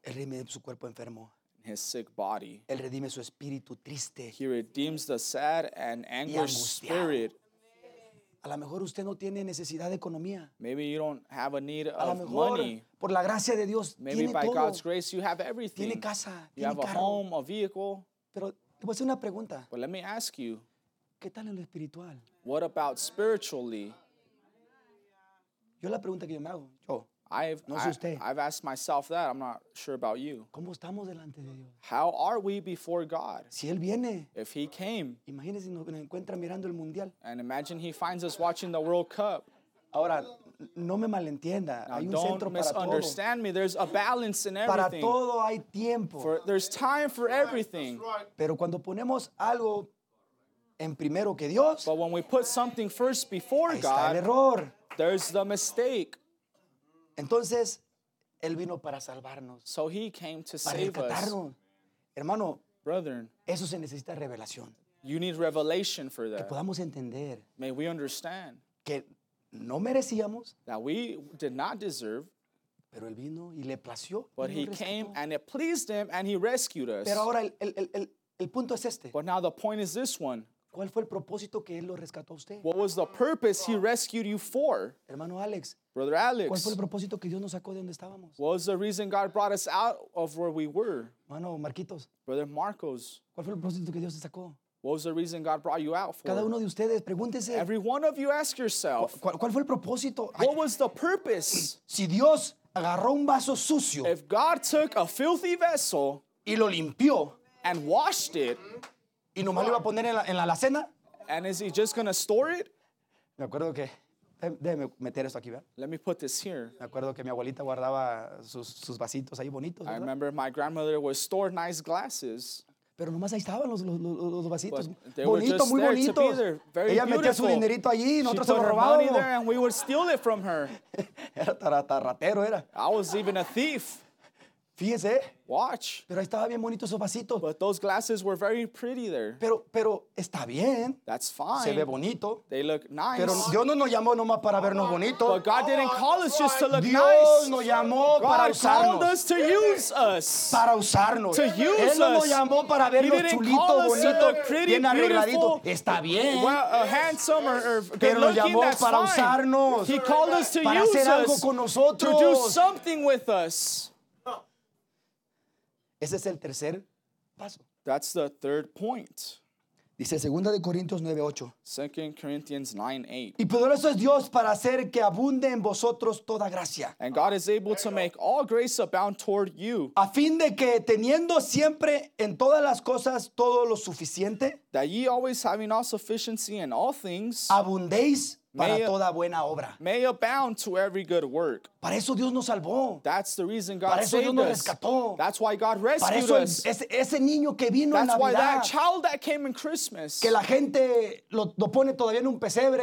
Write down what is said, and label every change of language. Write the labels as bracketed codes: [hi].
[es] Él redimió su cuerpo enfermo. [en] his sick body. [es] Él redime su espíritu triste. [en] He redeems the sad and anguished spirit. [es] A lo mejor usted no tiene necesidad de economía. [en] Maybe you don't have a need of [es] a lo mejor, [en] money. [es] Por la gracia de Dios, [en] maybe [es] tiene [en] by [es] todo. [en] God's grace you have everything. [es] Tiene casa, [en] you [es] tiene [en] have [es] carro. [en] A home, a vehicle. [es] Pero te voy a hacer una pregunta. [en] But let me ask you. [es] ¿Qué tal en lo espiritual? [en] What about spiritually? [es] Yo la pregunta que yo me hago, yo. [en] I've asked myself that. I'm not sure about you. [es] ¿Cómo estamos delante de Dios? [en] How are we before God? [es] Si él viene, [en] if he came. [es] Imagínese nos encuentra mirando el mundial. [en] And imagine he finds us watching the World Cup. [es] Ahora, no me malentienda. [en] Now, [es] hay un centro para todo. [en] Don't misunderstand me. There's a balance in everything. Para todo hay tiempo. For, there's time for everything. Right. [es] Pero cuando ponemos algo en primero que Dios. [en] But when we put something first before [es] ahí [en] God. [es] Está el error. [en] There's the mistake. [es] Entonces, él vino para salvarnos. [en] So he came to [es] para [en] save [es] rescatarnos. [en] Us. [es] Hermano, [en] brethren, [es] eso se necesita revelación. [en] You need revelation for that. [es] Que podamos entender. [en] May we understand. [es] Que no merecíamos. [en] That we did not deserve. [es] Pero él vino y le plació. [en] But he came and it pleased him and he rescued us. [es] Pero ahora el punto es este. [en] But now the point is this one. [es] ¿Cuál fue el propósito que él lo rescató a usted? [en] What was the purpose he rescued you for? [es] Hermano Alex. [en] Brother Alex. [es] ¿Cuál fue el propósito que Dios nos sacó de donde estábamos? [en] What was the reason God brought us out of where we were? [es] Hermano Marquitos. [en] Brother Marcos. [es] ¿Cuál fue el propósito que Dios te sacó? [en] What was the reason God brought you out for? [es] Cada uno de ustedes, pregúntese. [en] Every one of you ask yourself. [es] ¿Cuál fue el propósito? [en] What was the purpose? [es] Si Dios agarró un vaso sucio. [en] If God took a filthy vessel. [es] Y lo limpió. [en] And washed it. [es] Y nomás lo iba a poner en la alacena. [en] And is he just going to store it? [es] Me acuerdo que... Déjeme meter esto aquí, ¿verdad? [en] Let me put this here. [es] Me acuerdo que mi abuelita guardaba sus vasitos ahí bonitos, ¿verdad? [en] I remember my grandmother would store nice glasses. [es] Pero nomás ahí estaban los vasitos. Bonitos, muy bonitos. [en] Very [es] ella [en] beautiful. [es] Metía su dinerito allí y nosotros se lo robábamos. [en] She put her money there and we would steal it from her. [es] Era taratero, era. [en] I was even a thief. [es] Fíjese. [en] Watch. [es] Pero estaba bien bonito esos vasitos. [en] But those glasses were very pretty there. [es] Pero está bien. [en] That's fine. [es] Se ve bonito. [en] They look nice. [es] Pero Dios no nos llamó nomás para vernos bonitos. [en] But God didn't call us just to look [es] Dios [en] nice. [es] Dios nos llamó [en] God [es] para usarnos. [en] God called us to use us. [es] Para usarnos. [en] To use us. [es] Él no nos llamó para vernos chulitos, bonitos, bien arregladitos. Está bien. [en] Well, handsome or good [es] pero nos llamó [en] looking, [es] para [en] fine. [es] Usarnos. [en] He called us to [es] para [en] use [es] hacer [en] us. [es] Algo con nosotros. [en] To do something with us. [es] Ese es el tercer paso. [en] That's the third point. [es] Dice 2 de Corintios 9:8. [en] 2 Corinthians 9:8. [es] Y poderoso es Dios para hacer que abunde en vosotros toda gracia. [en] And God is able to make all grace abound toward you. [es] A fin de que teniendo siempre en todas las cosas todo lo suficiente, [en] that ye always having all sufficiency in all things, [es] abundéis para toda buena obra. [en] May abound to every good work. [es] Para eso Dios nos salvó. [en] That's the reason God [es] para eso [en] saved [es] Dios nos [en] us. [es] Rescató. [en] That's why God rescued [es] para eso, [en] us. [es] Ese niño que vino [en] that's [es] en Navidad, [en] why that child that came in Christmas. [es] Que la gente lo pone todavía en un pesebre.